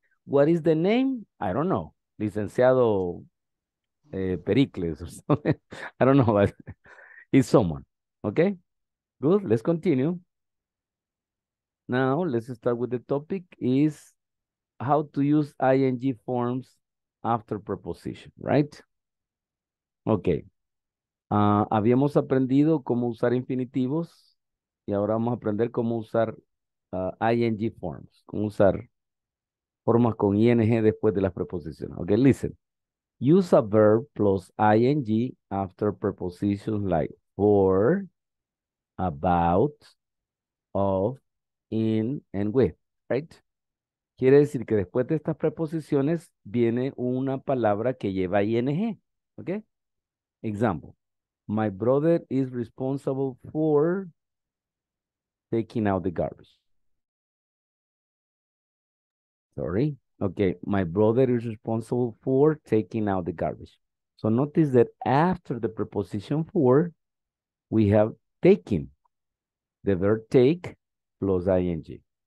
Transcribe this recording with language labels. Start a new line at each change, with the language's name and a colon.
English: What is the name? I don't know. Licenciado Pericles or something. I don't know, but it's someone. Okay? Good. Let's continue. Now, let's start with the topic is how to use ing forms after preposition, right? Okay.
Spanish: Habíamos aprendido cómo usar infinitivos y ahora vamos a aprender cómo usar ing forms, cómo usar formas con ing después de las preposiciones.
English: Okay, listen. Use a verb plus ing after prepositions like for, about, of, in, and with, right?
Spanish: Quiere decir que después de estas preposiciones viene una palabra que lleva ing, okay?
English: Example. My brother is responsible for taking out the garbage. Sorry. Okay, my brother is responsible for taking out the garbage. So notice that after the preposition for, we have taking, the verb take plus ing.